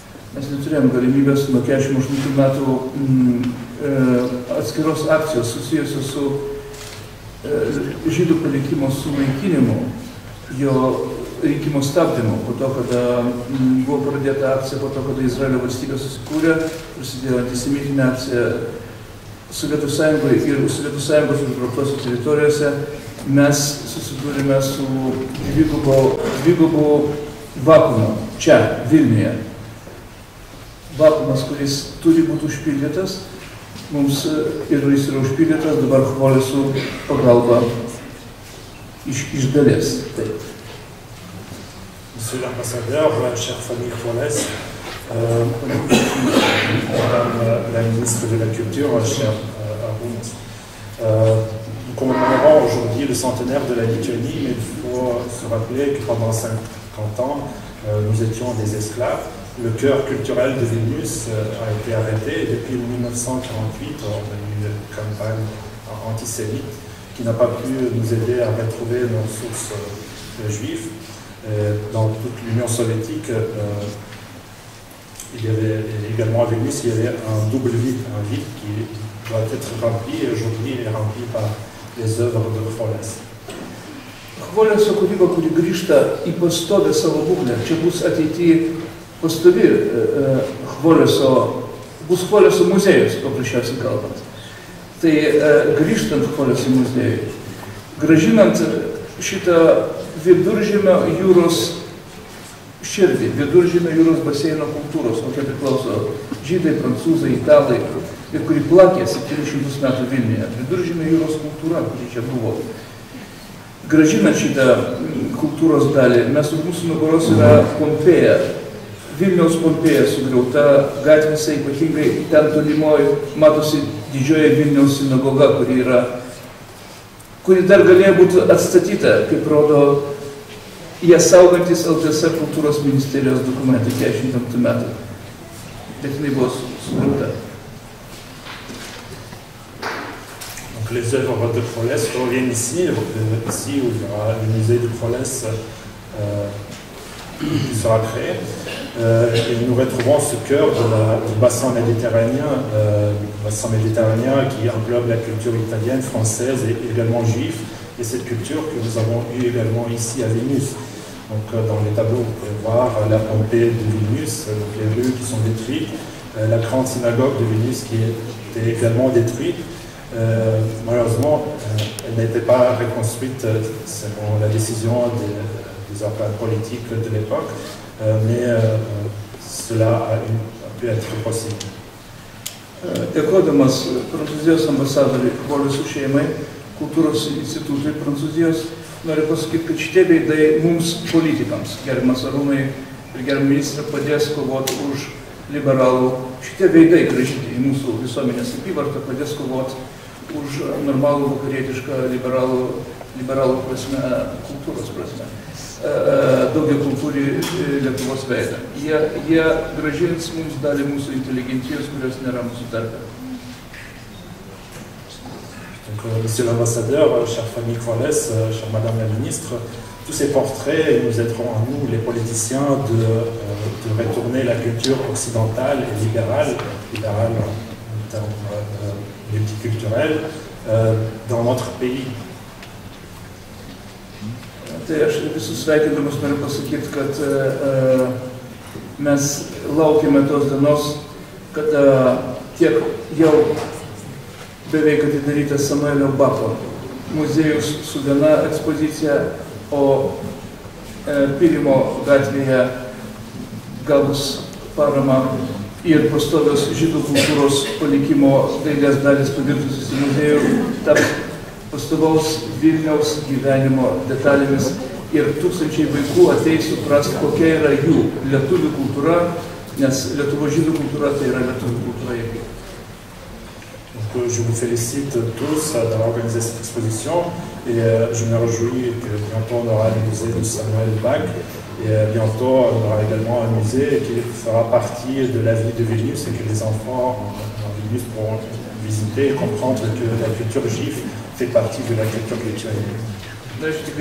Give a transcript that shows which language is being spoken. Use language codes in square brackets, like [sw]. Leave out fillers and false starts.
[lt] Mes neturėjom galimybės nuo 48 metų atskiros akcijos susijusios su žydų palikimo sunaikinimu, jo rinkimo stabdymu, po to, kada buvo pradėta akcija, po to, kada Izraelio valstybė susikūrė, prasidėjo antisemitinė akcija Sovietų Sąjungoje ir Sovietų Sąjungos užgrobtose teritorijose, mes susidūrėme su dvigubu vakumu čia, Vilniuje. Vakumas, kuris turi būti užpildytas, mums ir jis yra užpildytas, dabar Chvolesu pagalba iš dalies. [fr] Monsieur l'ambassadeur, chère famille Chvoles, madame la ministre de la Culture, chère Arun, nous commémorons aujourd'hui le centenaire de la Lituanie, mais il faut se rappeler que pendant 50 ans, nous étions des esclaves. Le cœur culturel de Vilnius a été arrêté depuis 1948, on a eu une campagne antisémite qui n'a pas pu nous aider à retrouver nos sources juives. Dans toute l'Union soviétique, il y avait également à Vilnius, il y avait un double vide, un vide qui doit être rempli et aujourd'hui il est rempli par les œuvres de Chvoles. [lt] Chvoleso kūryba, kuri grįžta į pastovę savo būklę, čia bus ateityje pastovi Chvoleso, bus Chvoleso muziejus, paprasčiausiai kalbant. Tai grįžtant Chvoleso muziejui, gražinant šitą viduržėmio jūros širdį, viduržėmio jūros baseino kultūros, kokia priklauso žydai, prancūzai, italai, ir kuri plakė 700 metų Vilniuje, viduržėmio jūros kultūra, kuri čia buvo. Gražinant šitą kultūros dalį, mes už mūsų nugaros yra Pompeja, Vilniaus Pompeja sugriauta gatvėse, ypatingai ten tolimoje matosi didžioji Vilniaus sinagoga, kuri dar galėjo būti atstatyta, kaip rodo jie saugantis LTSR kultūros ministerijos dokumentai 48 metų. Bet jinai buvo sugriauta. [fr] Les œuvres de Chvoles reviennent ici, ici où il y aura le musée de Chvoles qui sera créé. Et nous retrouvons ce cœur du bassin méditerranéen, qui englobe la culture italienne, française et également juive, et cette culture que nous avons eue également ici à Vilnius. Donc dans les tableaux, vous pouvez voir la Pompée de Vilnius, les rues qui sont détruites, la grande synagogue de Vilnius qui était également détruite. Malheureusement, elle n'était pas reconstruite selon la décision des organes politiques de l'époque, mais cela a pu être possible. [lt] Dėkodamas Prancūzijos ambasadoriui Chvolesui šeimai, kultūros institutui Prancūzijos, noriu pasakyti, kad šitie veidai mums politikams, gerbiamas Arūnai ir gerbiamas ministras, padės kovoti už liberalų, šitie veidai grįžti į mūsų visuomenės apyvartą, padės kovoti už normalų vakarietišką liberalų prasme, kultūros prasme, daugia kultūrį Lietuvos veidą. Jie gražins mums dalį mūsų inteligencijos, kurios nėra mūsų tarpė. [fr] Monsieur l'ambassadeur, chère famille Chvolès, chère madame la ministre, tous ces portraits nous aideront à nous, les politiciens, de retourner la culture occidentale et libérale en termes multiculturels, dans notre pays. [lt] Tai aš visus sveikindamus noriu pasakyti, kad mes laukime tos dienos, kada tiek jau beveik atidarytas Samuelio Bako muziejus su viena ekspozicija, o Pylimo gatvėje gavus paramą ir pastovios žydų kultūros palikimo dailės dalis pavirtusius į muziejų, taps pastovaus Vilniaus gyvenimo detalėmis ir tūkstančiai vaikų ateis suprasti, kokia yra jų lietuvių kultūra, nes Lietuvos žydų kultūra tai yra lietuvių kultūra. [fr] Je vous félicite tous d'avoir organisé cette exposition et je me réjouis que bientôt on aura le musée de Samuel Bach et bientôt on aura également un musée qui fera partie de la vie de Vilnius et que les enfants en Vilnius pourront visiter et comprendre que la culture juive fait partie de la culture lituanienne.